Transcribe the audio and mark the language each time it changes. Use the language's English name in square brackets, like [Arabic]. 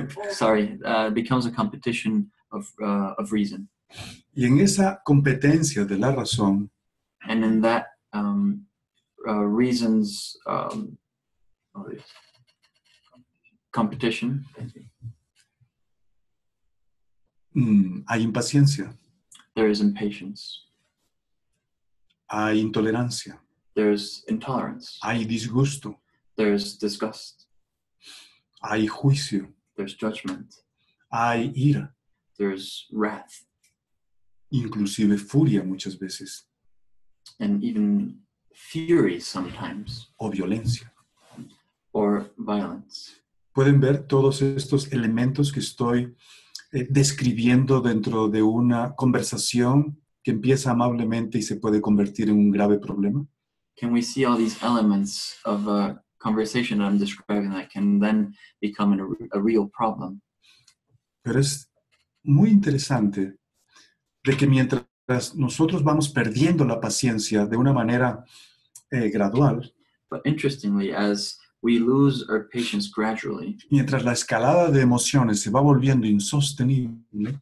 [English] Sorry, becomes a competition of reason. [Spanish] Y en esa competencia de la razón, [English] and in that reasons competition. [Spanish] Hay impaciencia. [English] There is impatience. [Spanish] Hay intolerancia. [English] There is intolerance. [Spanish] Hay disgusto. [English] There is disgust. [Spanish] Hay juicio. [English] There's judgment. [Spanish] Hay ira. [English] There's wrath. [Spanish] Inclusive furia muchas veces. [English] And even fury sometimes. [Spanish] O violencia. [English] Or violence. [Spanish] Pueden ver todos estos elementos que estoy describiendo dentro de una conversación que empieza amablemente y se puede convertir en un grave problema? [English] Can we see all these elements of a conversation that I'm describing that can then become a real problem? [Spanish] Pero es muy interesante de que mientras nosotros vamos perdiendo la paciencia de una manera gradual, [English] but interestingly, as we lose our patience gradually, [Spanish] mientras la escalada de emociones se va volviendo insostenible,